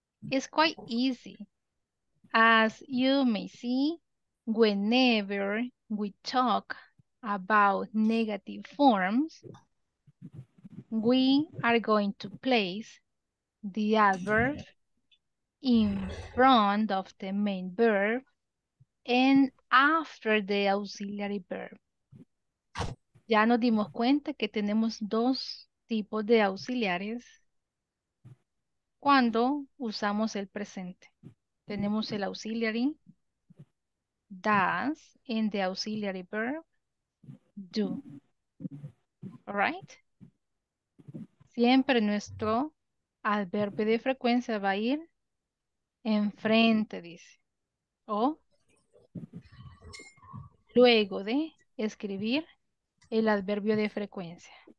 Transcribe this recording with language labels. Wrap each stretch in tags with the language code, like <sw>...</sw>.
<en>It's quite easy. As you may see, whenever we talk about negative forms, we are going to place the adverb in front of the main verb and after the auxiliary verb.</en> <es>Ya nos dimos cuenta que tenemos dos tipos de auxiliares cuando usamos el presente. Tenemos el</es> <en>auxiliary does and the auxiliary verb do. All right?</en> <es>Siempre nuestro adverbio de frecuencia va a ir enfrente, dice. O luego de escribir el adverbio de frecuencia.</es>